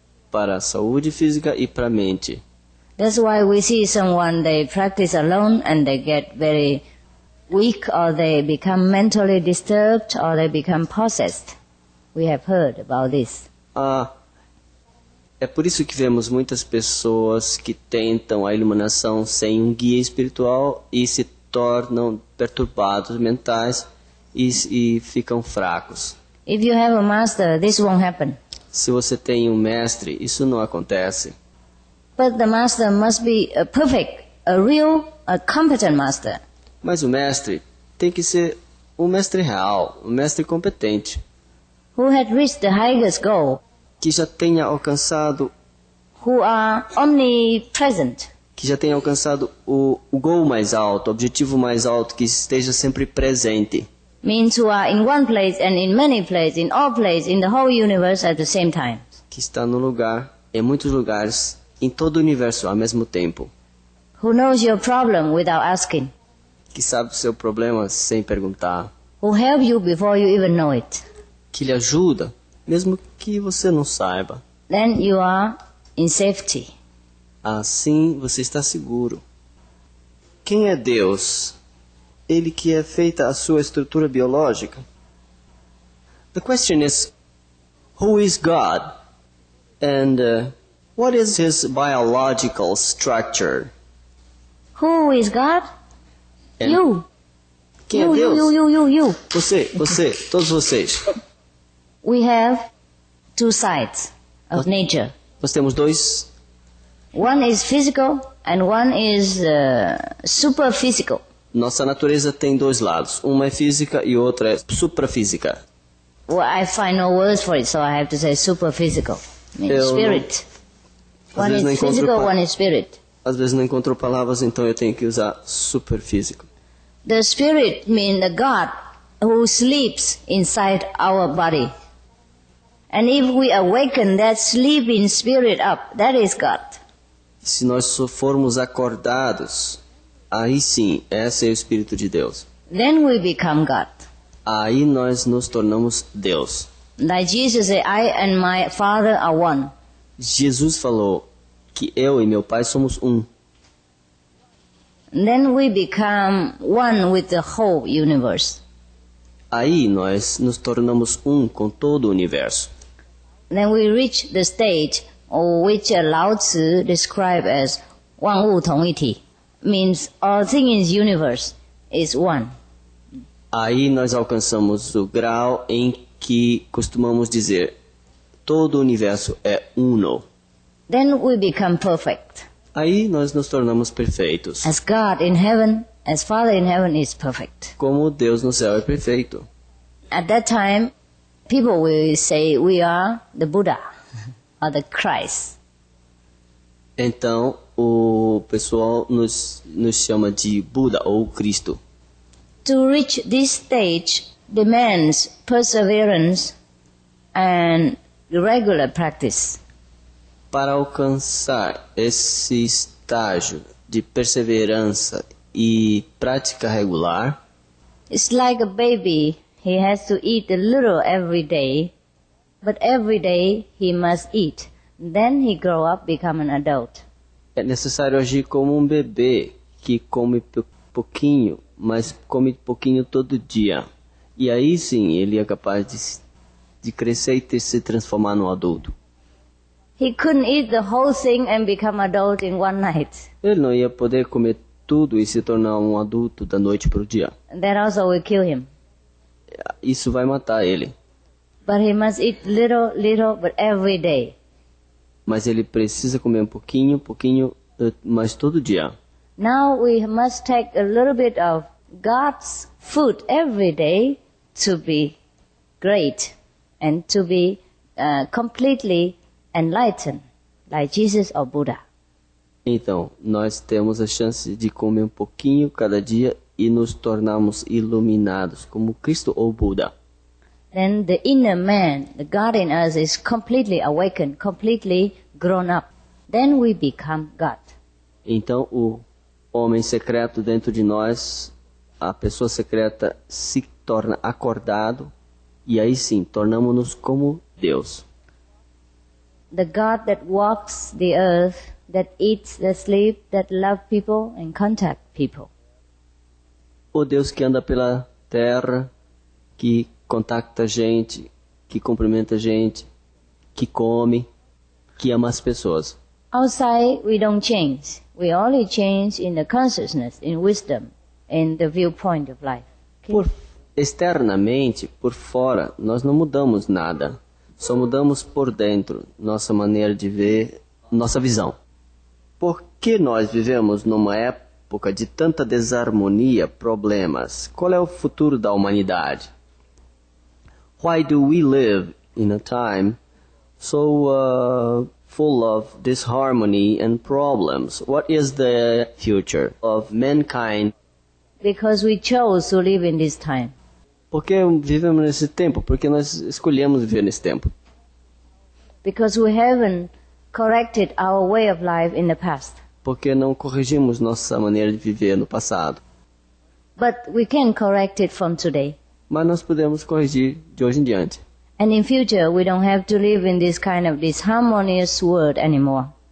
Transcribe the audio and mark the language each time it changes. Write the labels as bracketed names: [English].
[Portuguese] Para a saúde física e para a mente. [English] That's why we see someone, they practice alone and they get very weak, or they become mentally disturbed, or they become possessed. We have heard about this. [Portuguese] Ah, é por isso que vemos muitas pessoas que tentam a iluminação sem um guia espiritual e se tornam perturbados mentais e ficam fracos. [English] If you have a master, this won't happen. [Portuguese] Se você tem mestre, isso não acontece. [English] But the master must be a perfect, a real, a competent master. [Portuguese] Mas mestre tem que ser mestre real, mestre competente. [English] Who had reached the highest goal. [Portuguese] Que já tenha alcançado. [English] Who are omnipresent. [Portuguese] Que já tenha alcançado o gol mais alto, o objetivo mais alto, que esteja sempre presente. [English] Means who are in one place and in many places, in all places, in the whole universe at the same time. [Portuguese] Que está no lugar, em muitos lugares, em todo o universo ao mesmo tempo. [English] Who knows your problem without asking. [Portuguese] Que sabe o seu problema sem perguntar. [English] Who help you before you even know it. [Portuguese] Que lhe ajuda, mesmo que você não saiba. [English] Then you are in safety. [Portuguese] Assim você está seguro. Quem é Deus? Ele que é feita a sua estrutura biológica. [English] The question is, who is God? And what is his biological structure? Who is God? And you. [Portuguese] Quem [English] you, [Portuguese] é Deus? [English] You. [Portuguese] Você, todos vocês. [English] We have two sides of nature. [Portuguese] Nós temos dois. [English] One is physical and one is super physical. [Portuguese] Nossa natureza tem dois lados. Uma é física e outra é suprafísica. [English] Well, I find no words for it, so I have to say superphysical. Means spirit. One is physical, one is spirit. [Portuguese] Às vezes não encontro palavras, então eu tenho que usar superphysical. [English] The spirit means the God who sleeps inside our body. And if we awaken that sleeping spirit up, that is God. [Portuguese] Se nós formos acordados, aí sim, esse é o Espírito de Deus. [English] Then we become God. [Portuguese] Aí nós nos tornamos Deus. [English] Like Jesus said, I and my Father are one. [Portuguese] Jesus falou que eu e meu Pai somos um. [English] Then we become one with the whole universe. [Portuguese] Aí nós nos tornamos um com todo o universo. [English] Then we reach the stage of which Lao Tzu described as [Chinese] Wang Wu Tong Yi Ti. [English] Means all things in the universe is one. [Portuguese] Aí nós alcançamos o grau em que costumamos dizer todo o universo é uno. [English] Then we become perfect. [Portuguese] Aí nós nos tornamos perfeitos. [English] As God in heaven, as Father in heaven is perfect. [Portuguese] Como Deus no céu é perfeito. [English] At that time, people will say we are the Buddha or the Christ. [Portuguese] Então, o pessoal nos chama de Buda ou Cristo. [English] To reach this stage demands perseverance and regular practice. [Portuguese] Para alcançar esse estágio de perseverança e prática regular, [English] it's like a baby. He has to eat a little every day, but every day he must eat. Then he grow up, become an adult. [Portuguese] É necessário agir como bebê que come pouquinho, mas come pouquinho todo dia. E aí sim, ele é capaz de crescer e se transformar num adulto. [English] He couldn't eat the whole thing and become adult in one night. [Portuguese] Ele não ia poder comer tudo e se tornar adulto da noite para o dia. [English] That also will kill him. [Portuguese] Isso vai matar ele. [English] But he must eat little, little, but every day. [Portuguese] Mas ele precisa comer pouquinho, mas todo dia. [English] Now we must take a little bit of God's food every day to be great and to be completely enlightened, like Jesus or Buddha. [Portuguese] Então, nós temos a chance de comer pouquinho cada dia e nos tornamos iluminados como Cristo ou Buda. [English] Then the inner man, the God in us, is completely awakened, completely grown up. Then we become God. [Portuguese] Então o homem secreto dentro de nós, a pessoa secreta, se torna acordado e aí sim, tornamos-nos como Deus. [English] The God that walks the earth that eats, that sleeps, that loves people and contacts people. [Portuguese] O Deus que anda pela terra, que contacta gente, que cumprimenta gente, que come, que ama as pessoas. [English] Outside, we don't change. We only change in the consciousness, in wisdom, in the viewpoint of life. Okay? [Portuguese] Por externamente, por fora, nós não mudamos nada. Só mudamos por dentro, nossa maneira de ver, nossa visão. Por que nós vivemos numa época de tanta desarmonia, problemas? Qual é o futuro da humanidade? [English] Why do we live in a time so full of disharmony and problems? What is the future of mankind? Because we chose to live in this time. [Portuguese] Por que vivemos nesse tempo? Porque nós escolhemos viver nesse tempo. [English] Because we haven't corrected our way of life in the past. [Portuguese] Porque não corrigimos nossa maneira de viver no passado. [English] But we can correct it from today. [Portuguese] Mas nós podemos corrigir de hoje em diante. [English] And in future we don't have to live in this kind of disharmonious world anymore.